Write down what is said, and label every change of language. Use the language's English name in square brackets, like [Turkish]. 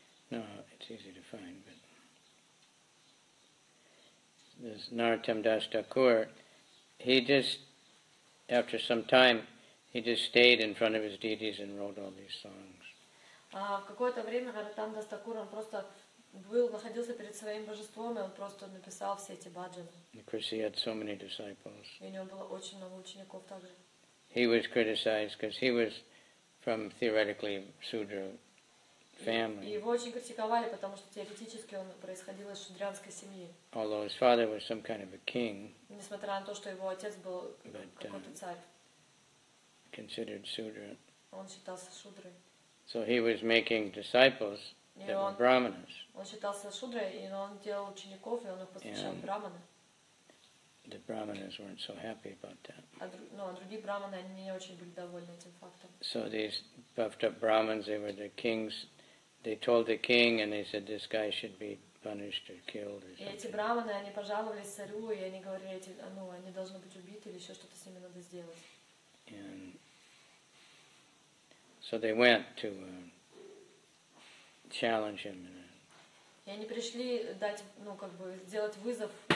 [English] No, it's easy to find, but this Narottam Das Thakur, he just, after some time, he just stayed in front of his deities and wrote all these songs. [Russian] В какое-то время Нараттам Дас Такур он просто был, находился перед своим божеством, и он просто написал все эти баджаны. [English] Because he had so many disciples. [Russian] И у него было очень много учеников также. [English] He was criticized because he was from theoretically Sudra family. [Russian] И его очень критиковали, потому что теоретически он происходил из шудрянской семьи. [English] Although his father was some kind of a king. [Russian] Несмотря на то, что его отец был какой-то царь. [English] Considered Sudra. [Russian] Он считался шудрой. [English] So he was making disciples that were brahmanas. [Russian] Он считался шудрой, но он делал учеников, и он их посвящал брахманы. [English] The brahmanas weren't so happy about that. [Russian] Но другие брахманы они не очень были довольны этим фактом. [English] So these puffed up brahmins, they were the kings. They told the king, and they said this guy should be punished or killed. [Russian] И эти брахманы они пожаловались царю, и они говорили, эти, ну, они должны быть убиты или еще что-то с ними надо сделать. [English] And so they went to challenge him. [Russian] И они пришли дать, ну, как бы сделать вызов.